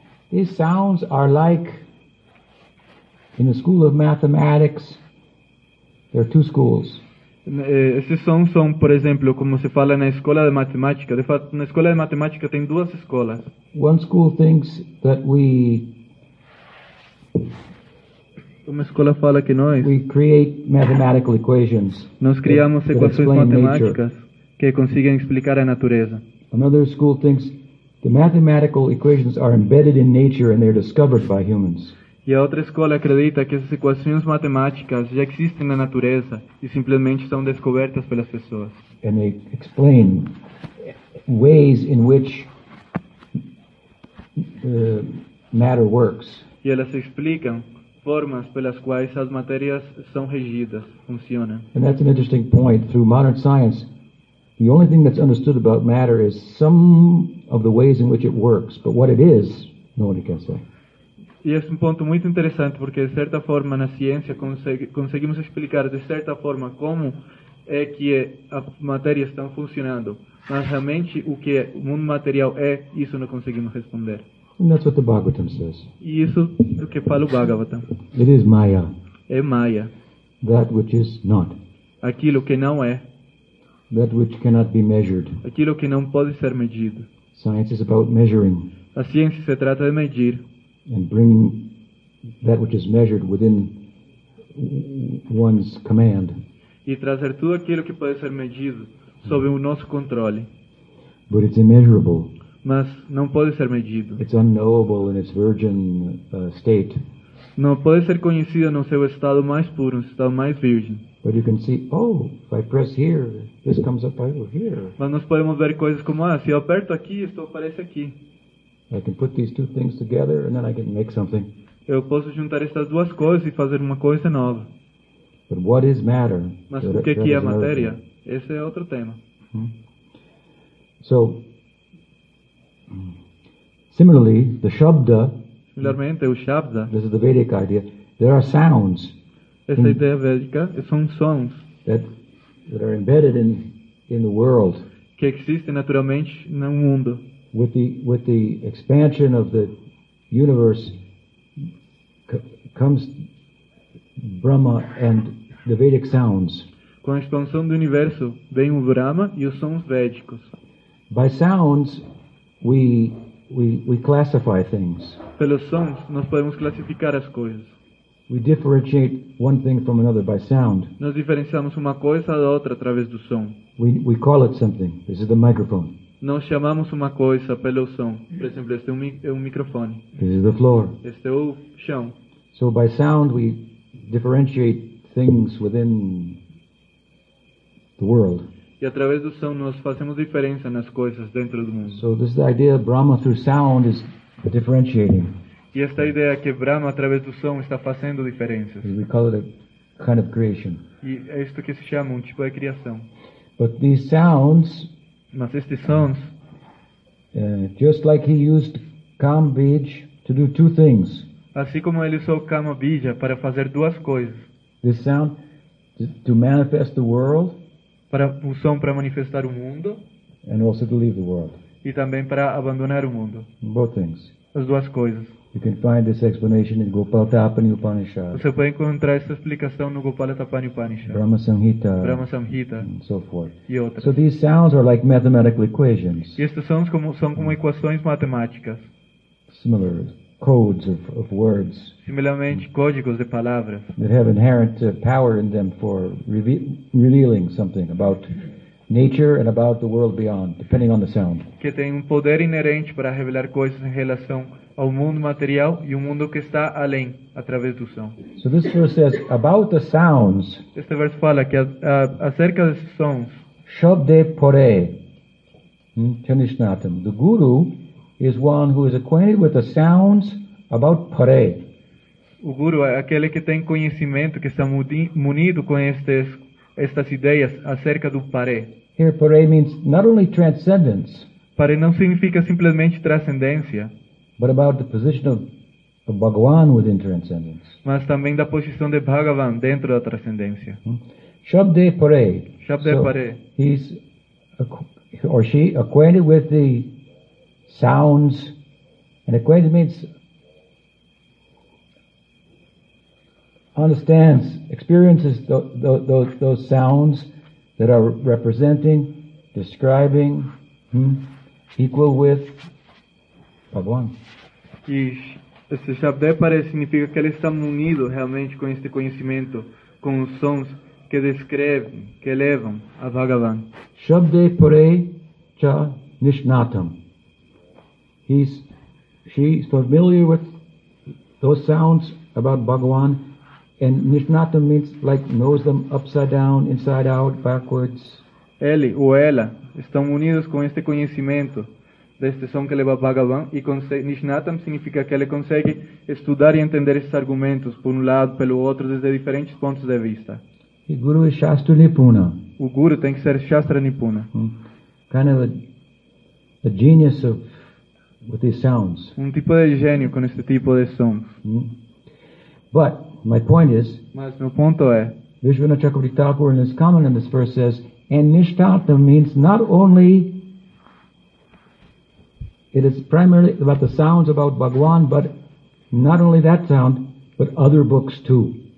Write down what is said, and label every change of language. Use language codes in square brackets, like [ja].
[en] These sounds are like, in the school of mathematics, there are two schools. [pt] Esses sons são, por exemplo, como se fala na escola de matemática. De fato, na escola de matemática tem duas escolas. [en] One school thinks that we... [pt] Uma escola fala que nós... [en] We create mathematical equations. [pt] Nós criamos equações matemáticas que conseguem explicar a natureza. [en] Another school thinks the mathematical equations are embedded in nature and they're discovered by humans. [pt] E a outra escola acredita que essas equações matemáticas já existem na natureza e simplesmente são descobertas pelas pessoas. [en] And they explain ways in which matter works. [pt] E elas explicam formas pelas quais as matérias são regidas, funcionam. [en] And that's an interesting point through modern science. The only thing that's understood about matter is some of the ways in which it works, but what it is, nobody can say. [pt] E é um ponto muito interessante porque de certa forma na ciência conseguimos explicar de certa forma como é que a matéria está funcionando, mas realmente o que o mundo material é, isso não conseguimos responder. [en] And that's what the Bhagavatam says. [pt] E isso é o que fala o Bhagavatam. [en] It is Maya. [pt] É Maya. [en] That which is not. [pt] Aquilo que não é. [en] That which cannot be measured. [pt] Aquilo que não pode ser medido. [en] Science is about measuring. [pt] A ciência se trata de medir. [en] And bringing that which is measured within one's command. [pt] E trazer tudo aquilo que pode ser medido sob o nosso controle. [en] But it's immeasurable. [pt] Mas não pode ser medido. [en] It's unknowable in its virgin state. [pt] Não pode ser conhecido no seu estado mais puro, no seu estado mais virgem. [en] But you can see, oh, if I press here, this comes up over here. [pt] Mas nós podemos ver coisas como, ah, se eu aperto aqui, isso aparece aqui. [en] I can put these two things together and then I can make something. [pt] Eu posso juntar estas duas coisas e fazer uma coisa nova. [en] But what is matter? [pt] Mas o que é a matéria? Esse é outro tema. [en] So, similarly, the shabda. [pt] Similarmente, o shabda. [en] This is the Vedic idea. There are sounds. [pt] Essa ideia védica são sons [en] that are embedded in the world, [pt] que existem naturalmente no mundo. [en] With the expansion of the universe comes Brahma and the Vedic sounds. [pt] Com a expansão do universo vem o Brahma e os sons védicos. [en] By sounds we classify things. [pt] Pelos sons nós podemos classificar as coisas. [en] We differentiate one thing from another by sound. [pt] Nós diferenciamos uma coisa da outra através do som. [en] We call it something. This is the microphone. [pt] Nós chamamos uma coisa pelo som. Por exemplo, este é um microfone. [en] This is the floor. [pt] Este é o chão. [en] So by sound we differentiate things within the world. [pt] E através do som nós fazemos diferença nas coisas dentro do mundo. [en] So this is the idea of Brahma through sound is differentiating. [pt] E esta ideia que Brahma através do som está fazendo diferenças. [en] We call it a kind of creation. [pt] E é isto que se chama um tipo de criação. [en] But these sounds, [pt] mas estes sons, [en] just like he used kama bija to do two things. [pt] Assim como ele usou kama bija para fazer duas coisas. [en] This sound to manifest the world, [pt] para o som para manifestar o mundo, [en] and also to leave the world. [pt] E também para abandonar o mundo. [en] Both things. [pt] As duas coisas. [en] You can find this explanation in Gopalatapani Upanishad. [pt] Você pode encontrar essa explicação no Gopalatapani Upanishad. [en] Brahma Samhita. [pt] Brahma Samhita. [en] And so forth. [pt] E outras. [en] So these sounds are like mathematical equations. [pt] Estes sons são como equações matemáticas. [en] Similar codes of words. [pt] Similarmente, códigos de palavras. [en] That have inherent power in them for revealing something about nature and about the world beyond, depending on the sound. [pt] Que tem poder inerente para revelar coisas em relação ao mundo material e o mundo que está além, através do som. [en] So this verse says, about the sounds, [pt] este verso fala que acerca desses sons, [sa] Shabde Pore, Tanishnatam, [en] the guru is one who is acquainted with the sounds about Pore. [pt] O guru é aquele que tem conhecimento, que está munido com estas ideias acerca do Pore. [en] Here Pore means not only transcendence, [pt] Pore não significa simplesmente transcendência, [en] but about the position of Bhagavan within transcendence. [pt] Mas também da posição de Bhagavan dentro da transcendência. [sa] Shabde Pore. Shabde Pore. [en] He's or she acquainted with the sounds, and acquainted means understands, experiences those sounds that are representing, describing, equal with Bhagavan. [pt] E esse Shabde Pare significa que ele está munido realmente com este conhecimento, com os sons que descrevem, que elevam a Bhagavan. [sa] Shabde Pare cha Nishnatam. [en] She's familiar with those sounds about Bhagavan, and Nishnatam means like knows them upside down, inside out, backwards. [pt] Ele ou ela estão unidos com este conhecimento deste som que leva Bhagavan, e Nishnatam significa que ele consegue estudar e entender esses argumentos por lado, pelo outro, desde diferentes pontos de vista. O guru é Shastra Nipuna. O guru tem que ser Shastra Nipuna. [en] Kind of a genius of with these sounds. [pt] Um tipo de gênio com este tipo de sons. [en] But my point is, [pt] mas meu ponto é, [en] Vishvanatha Chakravarti Thakur in his comment in this verse says, and Nishtatam means not only it is primarily about the sounds about Bhagavan, but not only that sound, but other books too.